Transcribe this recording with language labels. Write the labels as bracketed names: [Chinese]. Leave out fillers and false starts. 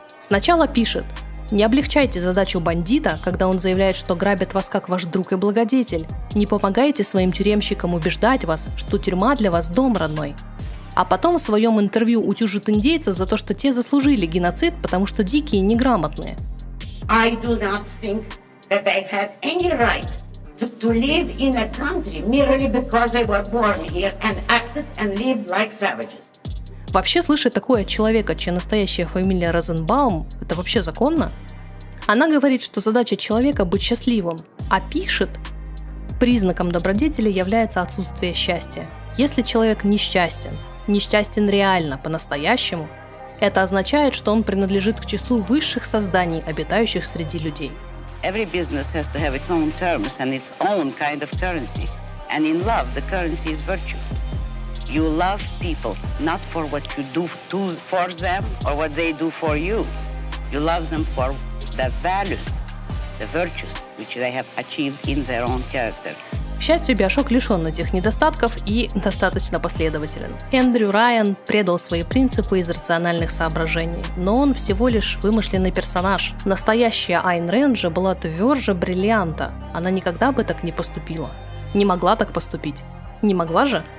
[Russian] Сначала пишет: «Не облегчайте задачу бандита, когда он заявляет, что грабит вас как ваш друг и благодетель. Не помогайте своим тюремщикам убеждать вас, что тюрьма для вас дом родной». А потом в своем интервью утюжит индейцев за то, что те заслужили геноцид, потому что дикие неграмотные. [English] I do not think that they have any right to live in a country merely because they were born here and acted and lived like savages. [Russian] Вообще слышать такое от человека, чья настоящая фамилия Розенбаум, это вообще законно? Она говорит, что задача человека быть счастливым, а пишет: признаком добродетели является отсутствие счастья. Если человек несчастен, несчастен реально, по-настоящему, это означает, что он принадлежит к числу высших созданий, обитающих среди людей. [English] Every business has to have its own terms and its own kind of currency. And in love, the currency is virtue. You love people not for what you do for them or what they do for you. You love them for the values, the virtues, which they have achieved in their own character. [Russian] К счастью, Биошок лишен этих недостатков и достаточно последователен. Эндрю Райан предал свои принципы из рациональных соображений, но он всего лишь вымышленный персонаж. Настоящая Айн Рэнд же была тверже бриллианта. Она никогда бы так не поступила. Не могла так поступить. Не могла же?